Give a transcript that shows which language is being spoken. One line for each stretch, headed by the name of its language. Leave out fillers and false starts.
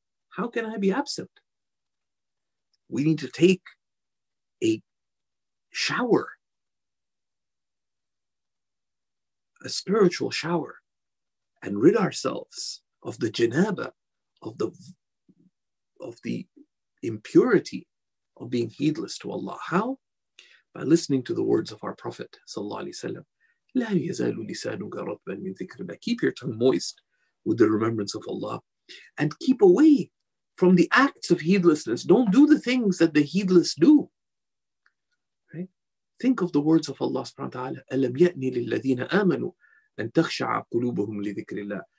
English: How can I be absent? We need to take a shower, a spiritual shower, and rid ourselves of the janaba, of the impurity of being heedless to Allah. How? By listening to the words of our Prophet sallallahu alaihi wasallam.
Arabic: لا يزال لسانك رطبا من ذكر الله.
English: Keep your tongue moist with the remembrance of Allah, and keep away from the acts of heedlessness. Don't do the things that the heedless do. Think of the words of Allah subhanahu wa ta'ala,
Arabic: أَلَمْ يَأْنِ لِلَّذِينَ آمَنُوا أَنْ تَخْشَعَ قُلُوبُهُمْ لِذِكْرِ اللَّهِ.